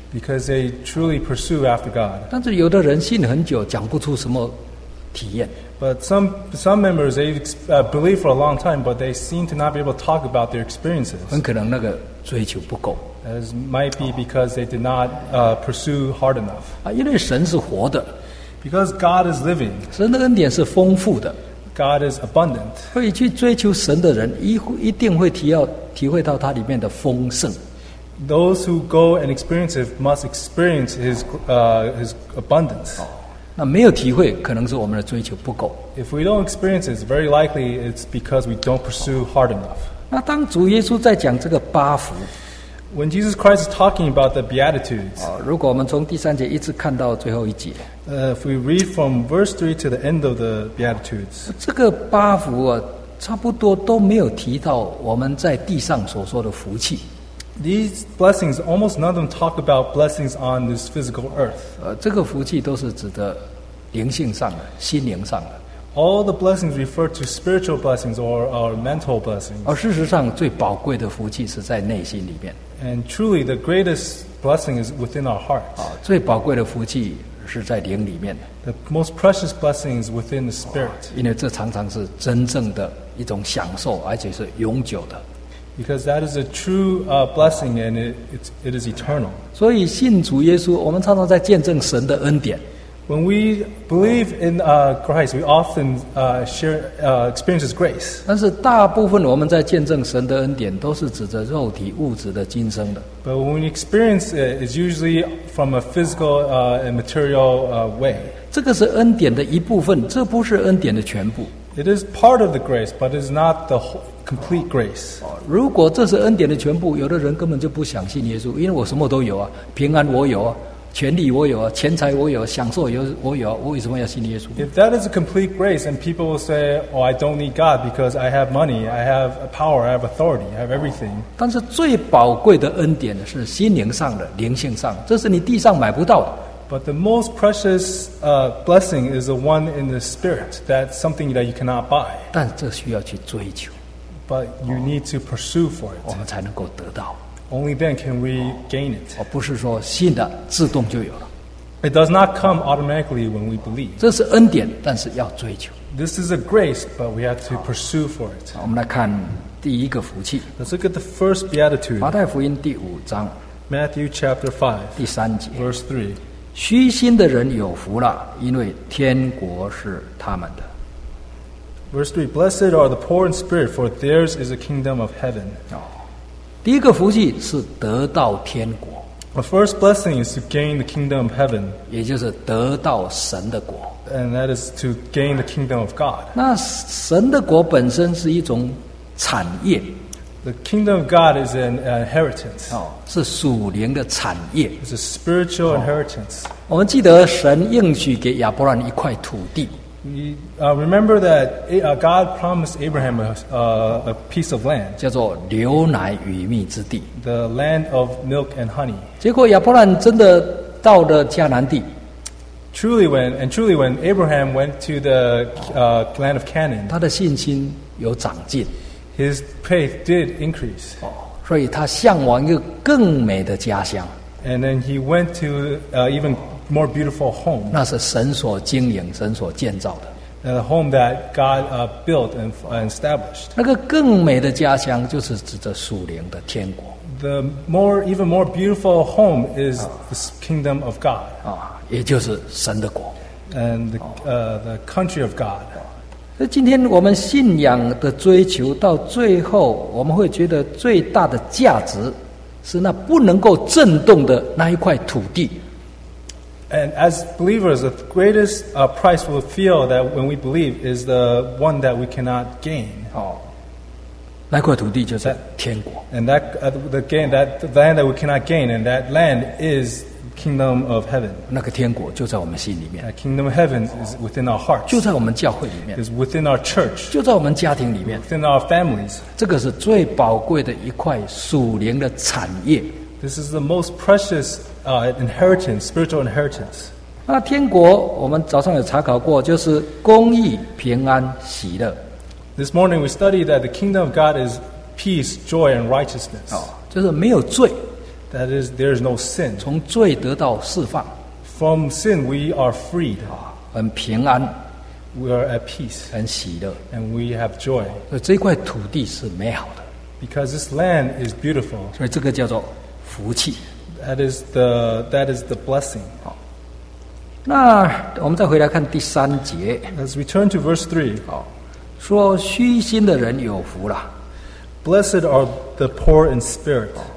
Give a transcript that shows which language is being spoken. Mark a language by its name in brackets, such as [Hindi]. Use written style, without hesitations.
[English] Because they truly pursue after God. [Chinese] 但是有的人信很久，讲不出什么体验。 [English] But some members they believe for a long time, but they seem to not be able to talk about their experiences. [Chinese] 很可能那个追求不够。 [English] It might be because they did not pursue hard enough. [Chinese] 啊，因为神是活的。 [English] Because God is living. [Chinese] 神的恩典是丰富的。 [English] God is abundant. [Chinese] 会去追求神的人，一定会体会到它里面的丰盛。 [English] Those who go and experience it must experience his abundance. [Chinese] 那没有体会，可能是我们的追求不够。 [English] If we don't experience it, very likely it's because we don't pursue hard enough. [Chinese] 那当主耶稣在讲这个八福 [English] ，When Jesus Christ is talking about the Beatitudes, [Chinese] 如果我们从第三节一直看到最后一节。 [English] If we read from verse 3 to the end of the Beatitudes, [Chinese] 这个八福啊，差不多都没有提到我们在地上所说的福气。 [English] These blessings, almost none of them talk about blessings on this physical earth. [Chinese] 这个福气都是指的灵性上的、心灵上的。 [English] All the blessings refer to spiritual blessings or our mental blessings. [Chinese] 而事实上，最宝贵的福气是在内心里面。 [English] And truly, the greatest blessing is within our hearts. [Chinese] 最宝贵的福气。是在灵里面的。 [English] The most precious blessing is within the spirit. [Chinese] 因为这常常是真正的一种享受，而且是永久的。 [English] Because that is a true blessing and it is eternal. [Chinese] 所以信主耶稣，我们常常在见证神的恩典。 [English] When we believe in Christ, we often experience His grace. [Chinese] 但是大部分我们在见证神的恩典，都是指着肉体物质的今生的。 [English] But when we experience it, it's usually from a physical and material way. [Chinese] 这个是恩典的一部分，这不是恩典的全部。 [English] It is part of the grace, but it's not the complete grace. [Chinese] 如果这是恩典的全部，有的人根本就不相信耶稣，因为我什么都有啊，平安我有啊。权力我有啊，钱财我有，享受有我有，我为什么要信耶稣 [English] ？If that is a complete grace, and people will say, "Oh, I don't need God because I have money, I have power, I have authority, I have everything." [Chinese] 但是最宝贵的恩典是心灵上的、灵性上，这是你地上买不到的。 [English] But the most precious blessing is the one in the spirit. That's something that you cannot buy. [Chinese] 但这需要去追求。 [English] But you need to pursue for it. [Chinese] 我们才能够得到。 [English] Only then can we gain it. [Chinese] 不是说信的自动就有了。 [English] It does not come automatically when we believe. [Chinese] 这是恩典，但是要追求。 [English] This is a grace, but we have to pursue for it. [Chinese] 我们来看第一个福气。 [English] Let's look at the first beatitude. [Chinese] 马太福音第五章。 [English] Matthew chapter 5. [Chinese] 第三节。 [English] Verse 3. [Chinese] 虚心的人有福了，因为天国是他们的。 [English] Verse 3. Blessed are the poor in spirit, for theirs is the kingdom of heaven. [Chinese] 第一个福气是得到天国。 [English] The first blessing is to gain the kingdom of heaven. [Chinese] 也就是得到神的国。 [English] And that is to gain the kingdom of God. [Chinese] 那神的国本身是一种产业。 [English] The kingdom of God is an inheritance. [Chinese] 是属灵的产业。 [English] It's a spiritual inheritance. [Chinese] 我们记得神应许给亚伯兰一块土地。 [English] Remember that God promised Abraham a piece of land, [Chinese] 叫做牛奶与蜜之地 [English] the land of milk and honey. [Chinese] 结果亚伯兰真的到了迦南地 [English] Truly when Abraham went to the land of Canaan, [Chinese] 他的信心有长进 [English] His faith did increase. [Chinese] 所以他向往一个更美的家乡 [English] And then he went to evenMore beautiful home. [Chinese] 那是神所经营、神所建造的。 [English] The home that God built and established. [Chinese] 那个更美的家乡就是指着属灵的天国。 [English] The more, even more beautiful home is the kingdom of God. [Chinese] 也就是神的国。 [English] And the country of God. [Chinese] 那今天我们信仰的追求到最后，我们会觉得最大的价值是那不能够震动的那一块土地。 [English] And as believers, the greatest price we'll feel that when we believe is the one that we cannot gain. [Chinese] 那块土地就是天国。 [English] And that the gain that land that we cannot gain, and that land is kingdom of heaven. [Chinese] 那个天国就在我们心里面。 [English] That kingdom of heaven is within our hearts. [Chinese] 就在我们教会里面。 [English] Is within our church. [Chinese] 就在我们家庭里面。 [English] Within our families. [Chinese] 这个是最宝贵的一块属灵的产业。 [English] This is the most precious inheritance, spiritual inheritance. [Chinese] 那天国，我们早上有查考过，就是公义、平安、喜乐。 [English] This morning we studied that the kingdom of God is peace, joy, and righteousness. [Chinese] 就是没有罪。 [English] That is, there is no sin. [Chinese] 从罪得到释放, [English] From sin, we are freed. 啊, [Chinese] 很平安, [English] we are at peace. [Chinese] 很喜乐, [English] and we have joy. [Chinese] 这块土地是美好的, [English] because this land is beautiful. [Chinese] 所以这个叫做福气, [English] that is the blessing. 好, [Chinese] 那我们再回来看第三节, [English] Let's return to verse 3. [Chinese] 好, 说虚心的人有福了, [English] Blessed are the poor in spirit.